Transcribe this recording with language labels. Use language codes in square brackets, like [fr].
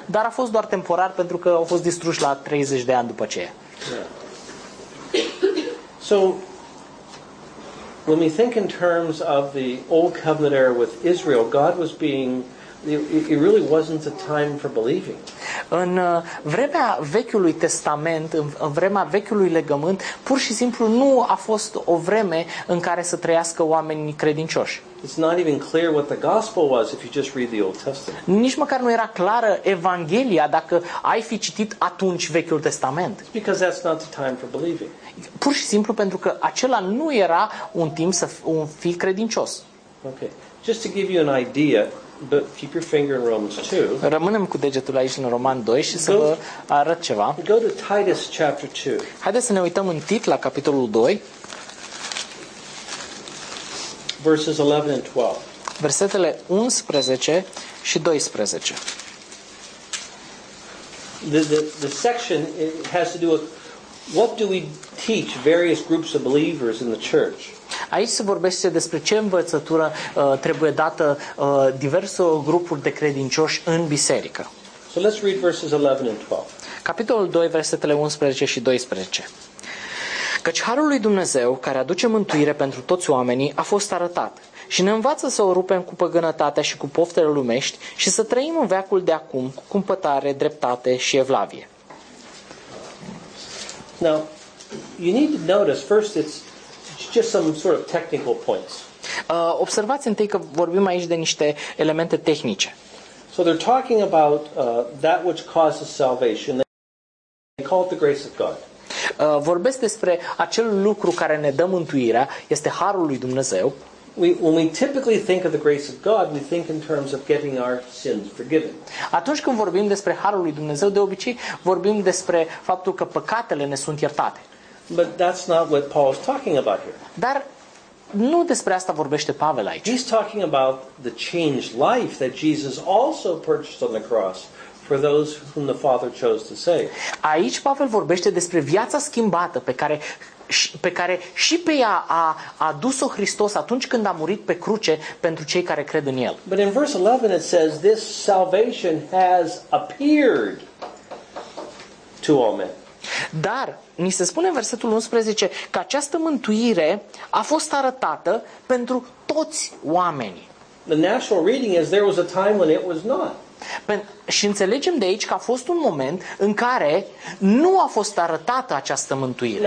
[ro] Dar a fost doar temporar pentru că au fost distruși la 30 de ani după aceea. [en] Yeah. So when we think in terms of the old covenant era with Israel, God was being it really wasn't a time for believing. [ro] În vremea Vechiului Testament, în vremea Vechiului Legământ, pur și simplu nu a fost o vreme în care să trăiască oamenii credincioși. [en] It's not even clear what the gospel was if you just read the Old Testament. [ro] Nici măcar nu era clară evanghelia dacă ai fi citit atunci Vechiul Testament. [en] It's because that's not the time for believing. [ro] Pur și simplu pentru că acela nu era un timp să fii credincios. [en] Okay. Just to give you an idea, but keep your finger in Romans 2. [ro] Rămânem cu degetul aici în Roman 2 și să vă arăt ceva. [en] Go to Titus chapter 2. [ro] Haideți să ne uităm în Tit la capitolul 2. [en] Verses 11 and 12. [ro] Versetele 11 și 12. [en] The section has to do with what do we teach various groups of believers in the church. [ro] Aici se vorbește despre ce învățătură trebuie dată diverse grupuri de credincioși în biserică. [en] So let's read verses 11 and 12. [ro] Capitolul 2, versetele 11 și 12. Căci harul lui Dumnezeu, care aduce mântuire pentru toți oamenii, a fost arătat și ne învață să o rupem cu păgânătatea și cu poftele lumești și să trăim în veacul de acum cu cumpătare, dreptate și evlavie. [en] Now, you need to notice, first it's just some sort of technical points. [ro] Observați întâi că vorbim aici de niște elemente tehnice. [en] So they're talking about that which causes salvation. They call it the grace of God. [ro] Vorbesc despre acel lucru care ne dă mântuirea, este harul lui Dumnezeu. [en] When we typically think of the grace of God, we think in terms of getting our sins forgiven. [ro] Atunci când vorbim despre harul lui Dumnezeu, de obicei vorbim despre faptul că păcatele ne sunt iertate. [en] But that's not what Paul is talking about here. [ro] Dar Nu despre asta vorbește Pavel aici. [en] He's talking about the changed life that Jesus also purchased on the cross for those whom the Father chose to save. [ro] Aici Pavel vorbește despre viața schimbată pe care și pe ea a dus-o Hristos atunci când a murit pe cruce pentru cei care cred în el. [en] But in verse 11 it says this salvation has appeared to all men. [ro] Dar ni se spune în versetul 11 că această mântuire a fost arătată pentru toți oamenii. [en] The natural reading is there was a time when it was not. [ro] Și înțelegem de aici că a fost un moment în care nu a fost arătată această mântuire.